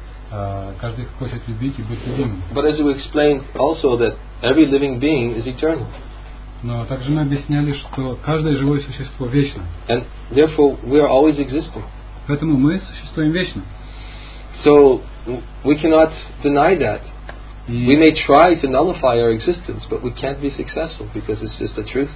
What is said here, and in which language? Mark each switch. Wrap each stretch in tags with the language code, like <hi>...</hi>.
<ru>Каждый хочет любить и быть любимым.</ru> <en>But as we explained also that every living being is eternal.</en> <ru>Но также мы объясняли, что каждое живое существо вечно.</ru> <en>And therefore we are always existing.</en> <ru>Поэтому мы существуем вечно.</ru> <en>So we cannot deny that. Mm. We may try to nullify our existence, but we can't be successful because it's just the truth.</en>